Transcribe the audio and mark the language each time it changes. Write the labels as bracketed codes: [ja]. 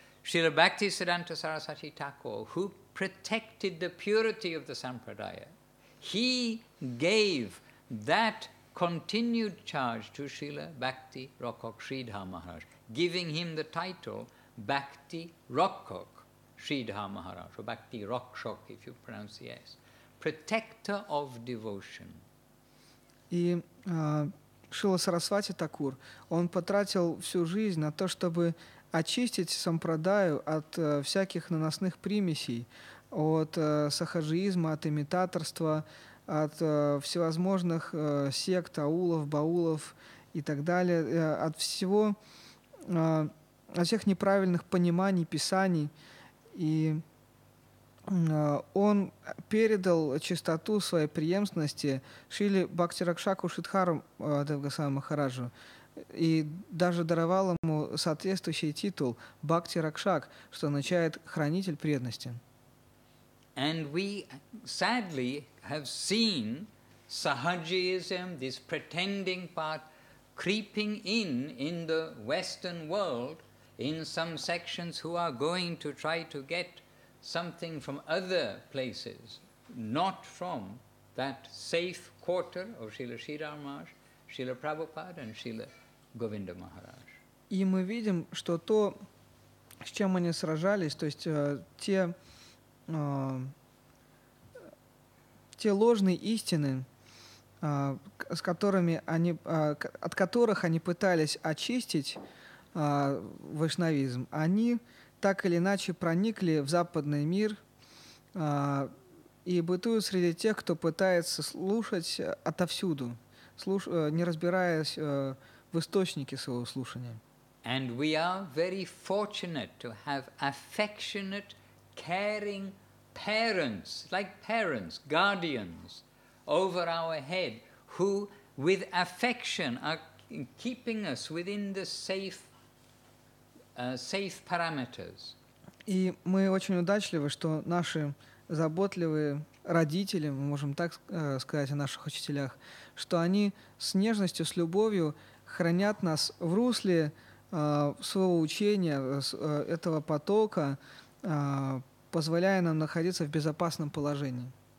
[en] Srila Bhaktisiddhanta Sarasvati Thakur, who protected the purity of the sampradaya, he gave that continued charge to Srila Bhakti Rakhok Sridhar Maharaj, giving him the title Bhakti Rakhok Sridhar Maharaj, or Bhakti Rakshak, if you pronounce the S, protector of devotion. [ru] И Шрила Сарасвати Такур, он потратил всю жизнь на то, чтобы очистить сампрадаю от всяких наносных примесей, от сахаджиизма, от имитаторства, от всевозможных сект, аулов, баулов и так далее, от всего, от всех неправильных пониманий, писаний. И он передал чистоту своей преемственности Шриле Бхакти Ракшаку Шридхару Девгасвами Махараджу и даже даровал ему соответствующий титул Бхакти Ракшак, что означает хранитель преданности. [en] And we sadly have seen sahajism, this pretending part, creeping in the Western world, in some sections who are going to try to get something from other places, not from that safe quarter of Srila Sridhar Maharaj, Srila Prabhupada and Srila Govinda Maharaj. [ru] И мы видим, что то, с чем они сражались, то есть те ложные истины, с которыми они, от которых они пытались очистить вайшнавизм, они так или иначе проникли в западный мир и бытуют среди тех, кто пытается слушать отовсюду, не разбираясь в источнике своего слушания. [en] And we are very fortunate to have affectionate, caring parents, like parents, guardians over our head, who with affection are keeping us within the safe parameters. [ru] И мы очень удачливы, что наши заботливые родители, мы можем так сказать о наших учителях, что они с нежностью, с любовью хранят нас в русле своего учения, этого потока, позволяя нам находиться в безопасном положении.